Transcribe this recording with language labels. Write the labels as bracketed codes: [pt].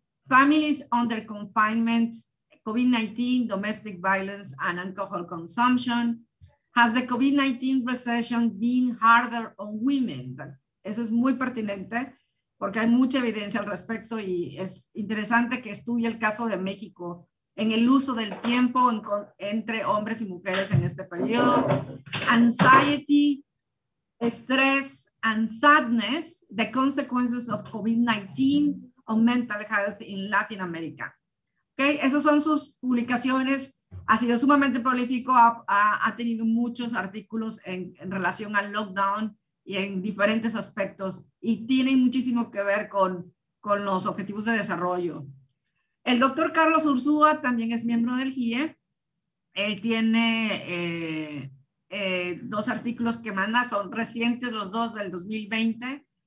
[en] Families under confinement, COVID-19, domestic violence and alcohol consumption. Has the COVID-19 recession been harder on women? [es] Eso es muy pertinente porque hay mucha evidencia al respecto y es interesante que estudie el caso de México en el uso del tiempo entre hombres y mujeres en este periodo. [en] Anxiety, stress, and sadness, the consequences of COVID-19 on mental health in Latin America. [es] Okay, esas son sus publicaciones. Ha sido sumamente prolífico, ha tenido muchos artículos en relación al lockdown y en diferentes aspectos, y tiene muchísimo que ver con los objetivos de desarrollo. El doctor Carlos Ursúa también es miembro del GIE. Él tiene dos artículos que manda, son recientes los dos del 2020.